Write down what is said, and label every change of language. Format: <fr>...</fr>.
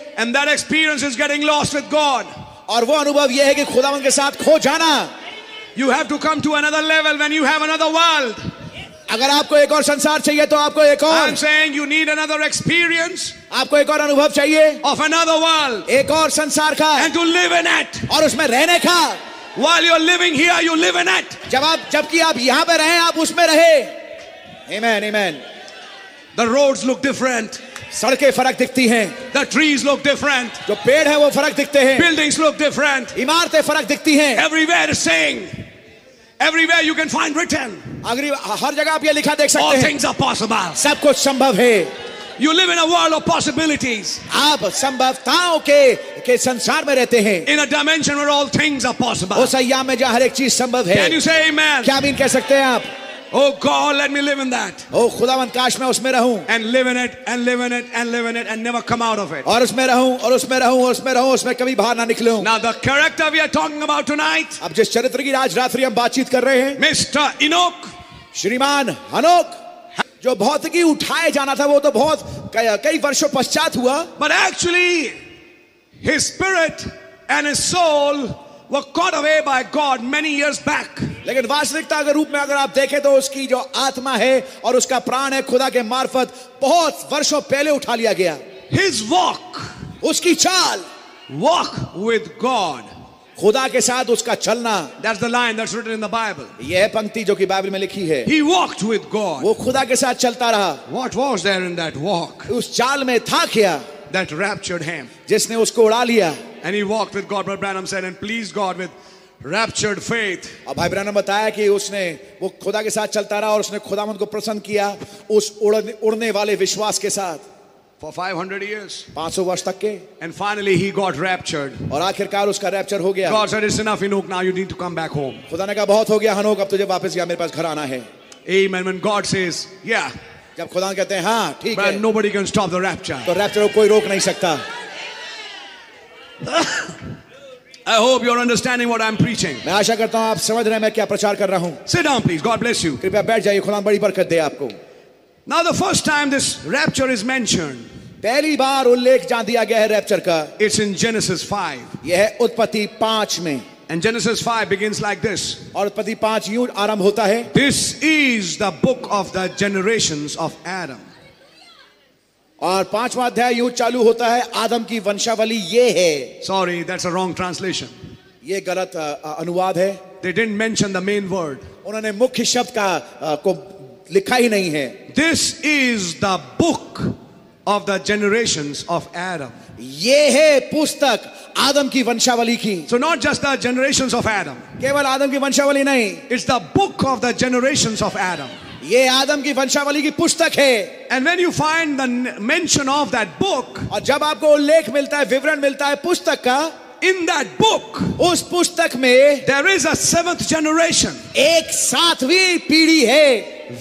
<en>And that experience is getting lost with God.</en> <hi>और वो अनुभव ये है कि खुदावन के साथ खो जाना.</hi> <en>You have to come to another level when you have another world.</en> <hi>अगर आपको एक और संसार चाहिए तो आपको एक और</hi> <en>I'm saying you need another experience</en> <hi>आपको एक और अनुभव चाहिए</hi> <en>of another world</en> <hi>एक और संसार का</hi> <en>and to live in it</en> <hi>और उसमें रहने का</hi> <en>while you're living here you live in it</en> <hi>जबकि आप यहां पे रहें आप उसमें रहे amen amen</hi> <en>the roads look different</en> <hi>सड़कें फर्क दिखती हैं</hi> <en>The trees look different</en> <hi>जो पेड़ हैं वो फर्क दिखते हैं</hi> <en>Buildings look different</en> <hi>इमारतें फर्क दिखती हैं</hi> <en>Everywhere is saying Everywhere you can find written</en> <hi>हर जगह आप ये लिखा देख सकते हैं</hi> <en>All things are possible</en> <hi>सब कुछ संभव है</hi> <en>You live in a world of possibilities</en> <hi>आप संभावनाओं के संसार में रहते हैं</hi> <en>In a dimension where all things are possible</en> <hi>उस आयाम में जहां हर एक चीज संभव है</hi> <en>Can you say amen</en> <hi>क्या आमीन कह सकते हैं आप</hi> <en>Oh God, let me live in that.</en> <hi>Oh, खुदावन काश मैं उसमें रहूं.</hi> <en>And live in it, and live in it, and live in it, and never come out of it.</en> <hi>और उसमें रहूं, और उसमें रहूं, और उसमें रहूं, उसमें कभी बाहर ना निकलूं.</hi> <en>Now the character we are talking about tonight.</en> <hi>अब जिस चरित्र की आज रात्रि हम बातचीत कर रहे हैं.</hi> <en>Mr. Enoch.</en> <hi>श्रीमान अनोक. जो बहुत ही उठाए जाना था वो तो बहुत कई वर्षों पश्चात हुआ.</hi> <en>But actually, his spirit and his soul. Were caught away by God many years back.</en> <hi>लेकिन वास्तविकता के रूप में अगर आप देखें तो उसकी जो आत्मा है और उसका प्राण है खुदा के मार्फत बहुत वर्षों पहले उठा लिया गया.</hi> <en>His walk,</en> <hi>उसकी चाल,</hi> <en>walk with God,</en> <hi>खुदा के साथ उसका चलना.</hi> <en>That's the line that's written in the Bible.</en> <hi>यह पंक्ति जो कि बाइबल में लिखी है.</hi> <en>He walked with God.</en> <hi>वो खुदा के साथ चलता रहा.</hi> <en>What was there in that walk?</en> <hi>उस चाल में था क्या?</hi> <en>That raptured him.</en> <hi>जिसने उसको उड़ा लिया.</hi> <en>And he walked with God, Brother Branham said, and pleased God with raptured faith.</en> <hi>अब भाई ब्रैनम बताया कि उसने वो खुदा के साथ चलता रहा और उसने खुदावंद को प्रसन्न किया उस उड़ने वाले विश्वास के साथ.</hi> <en>For 500 years.</en> <hi>500 वर्ष तक के.</hi> <en>And finally, he got raptured.</en> <hi>और आखिरकार उसका रैप्चर हो गया.</hi> <en>God said, "It's enough, Enoch. Now you need to come back home."</en> <hi>खुदा ने कहा, बहुत हो गया, हनोक. अब तुझे वापस यहाँ मेरे पास घर आना है.</hi> <en>Amen. When God says, "Yeah."</en> <hi>जब खुदा कहते हैं हाँ ठीक है.</hi> <en>But nobody can stop the rapture.</en> <hi>तो रैप्चर को कोई रोक नहीं सकता.</hi> <en>I hope you're understanding what I'm preaching.</en> <hi>मैं आशा करता हूँ आप समझ रहे हैं मैं क्या प्रचार कर रहा हूँ.</hi> <en>Sit down, please. God bless you.</en> <hi>कृपया बैठ जाइए. खुदा बड़ी बरकत दे आपको.</hi> <en>Now the first time this rapture is mentioned.</en> <hi>पहली बार उल्लेख जान दिया गया है रैप्चर का.</hi> <en>It's in Genesis 5.</en> <hi>यह है उत्पत्ति 5 में.</hi> <en>And Genesis 5 begins like this.</en> <hi>और उत्पत्ति 5 यूं आरंभ होता है.</hi> <en>This is the book of the generations of Adam.</en> <hi>और पांचवा अध्याय यूं चालू होता है आदम की वंशावली ये है.</hi> <en>Sorry, that's a wrong translation.</en> <hi>ये गलत अनुवाद है.</hi> <en>They didn't mention the main word.</en> <hi>उन्होंने मुख्य शब्द का को लिखा ही नहीं है.</hi> <en>This is the book of the generations of Adam.</en> <hi>ये है पुस्तक आदम की वंशावली की.</hi> <en>So not just the generations of Adam.</en> <hi>केवल आदम की वंशावली नहीं.</hi> <en>It's the book of the generations of Adam.</en> <hi>ये आदम की वंशावली की पुस्तक है.</hi> <en>and when you find the mention of that book</en> <hi>और जब आपको उल्लेख मिलता है विवरण मिलता है पुस्तक का.</hi> <en>in that book</en> <hi>उस पुस्तक में</hi> <en>there is a seventh generation</en> <hi>एक सातवीं पीढ़ी है</hi>